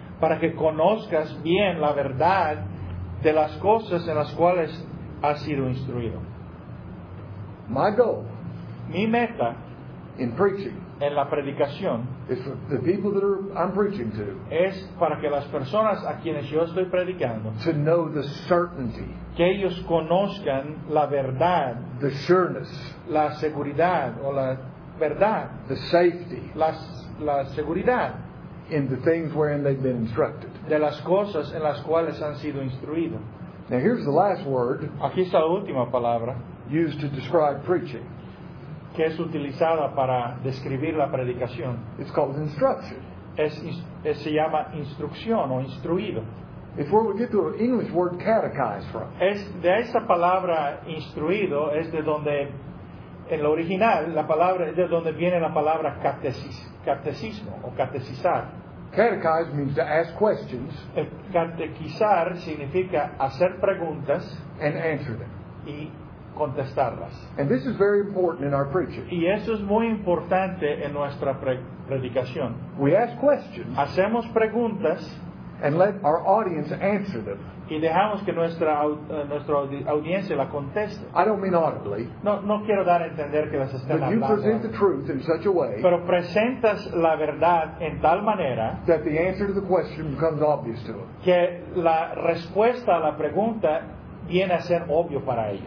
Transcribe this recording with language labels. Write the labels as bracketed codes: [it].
[es] Para que conozcas bien la verdad de las cosas en las cuales has sido instruido. [en] My goal. [es] Mi meta. [en] In preaching. [es] En la predicación. [en] Is for the people that I'm preaching to. [es] Es para que las personas a quienes yo estoy predicando. [en] To know the certainty. [es] Que ellos conozcan la verdad. [en] The sureness. [es] La seguridad o la verdad. [en] The safety. [es] La seguridad. [en] In the things wherein they've been instructed. [es] De las cosas en las cuales han sido instruidos. [en] Now here's the last word. [es] Aquí está la última palabra. [en] Used to describe preaching. [es] Que es utilizada para describir la predicación. [en] It's called instruction. [es] Se llama instrucción o instruido. [en] It's where we get the English word catechized from. [es] Es de esa palabra instruido es de donde en lo original la palabra es de donde viene la palabra catecismo o catecizar. [en] Catechize means to ask questions. [es] Catequizar significa hacer preguntas. [en] And answer them. [es] Y contestarlas. [en] And this is very important in our preaching. [es] Y eso es muy importante en nuestra predicación. [en] We ask questions. [es] Hacemos preguntas. [en] And let our audience answer them. [es] Y dejamos que nuestra audiencia la conteste. [en] I don't mean audibly. [es] No quiero dar a entender que las estén hablando. [en] But you present the truth in such a way. [es] Pero presentas la verdad en tal manera. [en] That the answer to the question becomes obvious to them. [es] Que la respuesta a la pregunta viene a ser obvio para ellos.